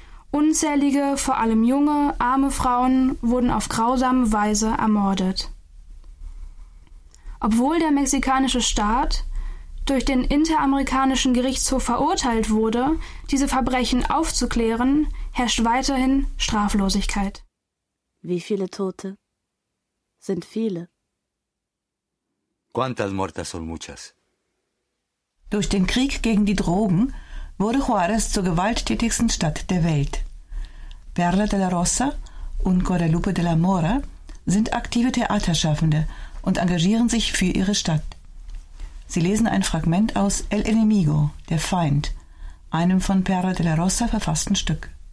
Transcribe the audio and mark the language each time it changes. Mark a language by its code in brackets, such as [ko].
[de] Unzählige, vor allem junge, arme Frauen wurden auf grausame Weise ermordet. Obwohl der mexikanische Staat durch den Interamerikanischen Gerichtshof verurteilt wurde, diese Verbrechen aufzuklären, herrscht weiterhin Straflosigkeit. Wie viele Tote? Sind viele. [es] ¿Cuántas muertas son muchas? [de] Durch den Krieg gegen die Drogen wurde Juárez zur gewalttätigsten Stadt der Welt. Perla de la Rosa und Guadalupe de la Mora sind aktive Theaterschaffende und engagieren sich für ihre Stadt. Sie lesen ein Fragment aus El Enemigo, der Feind, einem von Perla de la Rosa verfassten Stück.